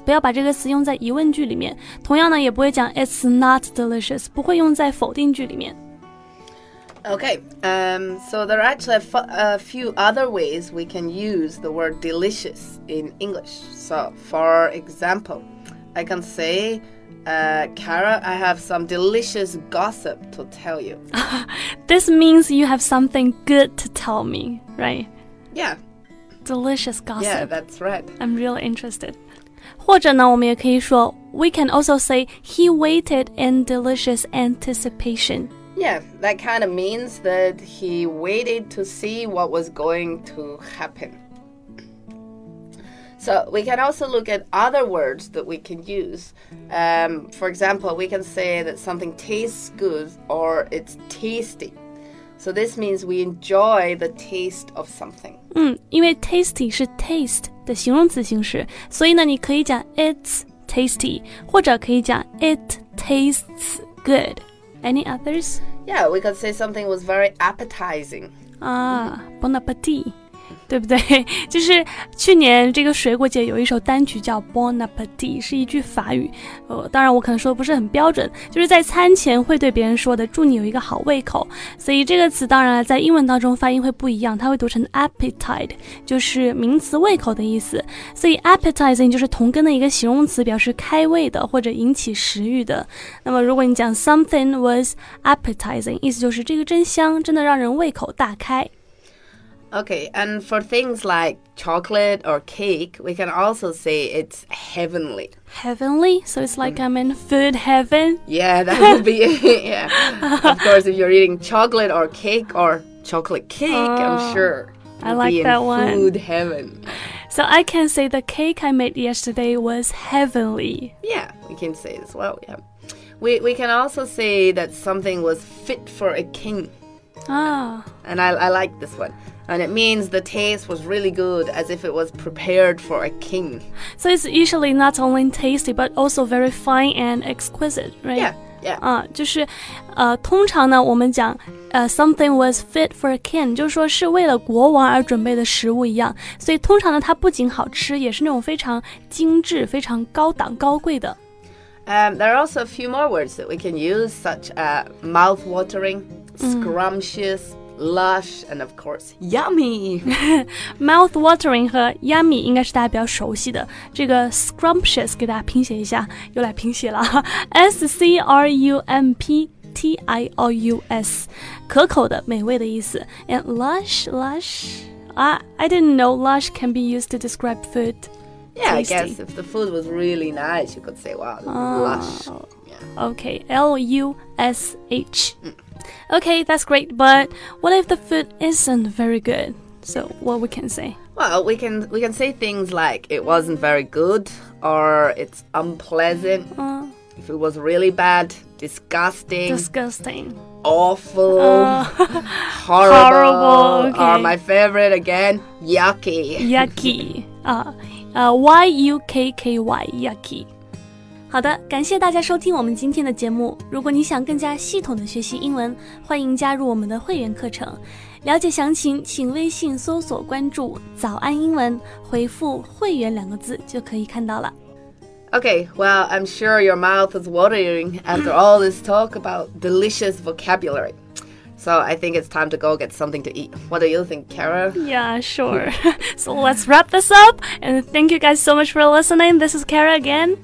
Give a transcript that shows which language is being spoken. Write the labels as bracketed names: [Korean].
[Chinese] 不要把这个词用在疑问句里面。同样呢，也不会讲 [English] it's not delicious, [Chinese] 不会用在否定句里面。 [English] Okay, so there are actually a few other ways we can use the word delicious in English. So, for example,I can say, Kara, I have some delicious gossip to tell you. This means you have something good to tell me, right? Yeah. Delicious gossip. Yeah, that's right. I'm really interested. [Chinese] 或者呢，我们也可以说 [English] we can also say he waited in delicious anticipation. Yeah, that kind of means that he waited to see what was going to happen. So we can also look at other words that we can use. For example, we can say that something tastes good or it's tasty. So this means we enjoy the taste of something. [Chinese] 因为 tasty 是 taste 的形容词形式，所以呢，你可以讲 [English] it's tasty， [Chinese] 或者可以讲 [English] it tastes good. Any others? Yeah, we could say something was very appetizing. [Chinese] Bon appetit. 对不对？就是去年这个水果节有一首单曲叫 Bon Appetit， 是一句法语。当然我可能说的不是很标准，就是在餐前会对别人说的，祝你有一个好胃口。所以这个词当然在英文当中发音会不一样，它会读成 appetite， 就是名词胃口的意思。所以 appetizing 就是同根的一个形容词，表示开胃的或者引起食欲的。那么如果你讲 [English] something was appetizing， [Chinese] 意思就是这个真香，真的让人胃口大开。 [English] Okay, and for things like chocolate or cake, we can also say it's heavenly. Heavenly? So it's like I'm in food heaven? Yeah, that would be it, yeah. Of course, if you're eating chocolate or cake or chocolate cake, I'm sure. I like that one. Food heaven. So I can say the cake I made yesterday was heavenly. Yeah, we can say it as well, yeah. We can also say that something was fit for a king. And I like this one. And it means the taste was really good, as if it was prepared for a king. So it's usually not only tasty, but also very fine and exquisite, right? Yeah. [Chinese] 就是通常呢我们讲 [English] something was fit for a king, [Chinese] 就是说是为了国王而准备的食物一样。所以通常呢它不仅好吃，也是那种非常精致，非常高档高贵的。 [English] There are also a few more words that we can use, such as mouth-watering, scrumptious, lush and of course yummy. [Chinese] Mouth-watering 和 yummy 应该是大家比较熟悉的。这个 scrumptious 给大家拼写一下，又来拼写了 S-C-R-U-M-P-T-I-O-U-S， 可口的，美味的意思。 [English] And lush, I didn't know lush can be used to describe food. Yeah,、 I guess if the food was really nice, you could say, wow, lush. Okay, L-U-S-H. Okay, that's great, but what if the food isn't very good? So what we can say? Well, we can say things like it wasn't very good, or it's unpleasant, if it was really bad, disgusting, awful, horrible, okay. Or my favorite again, yucky. Yucky, Y-U-K-K-Y, yucky. [Chinese] 好的，感谢大家收听我们今天的节目。如果你想更加系统的学习英文，欢迎加入我们的会员课程。了解详情，请微信搜索关注“早安英文”，回复“会员”两个字就可以看到了。 [English] Okay, well, I'm sure your mouth is watering after all this talk about delicious vocabulary. So I think it's time to go get something to eat. What do you think, Kara? Yeah, sure. So let's wrap this up. And thank you guys so much for listening. This is Kara again.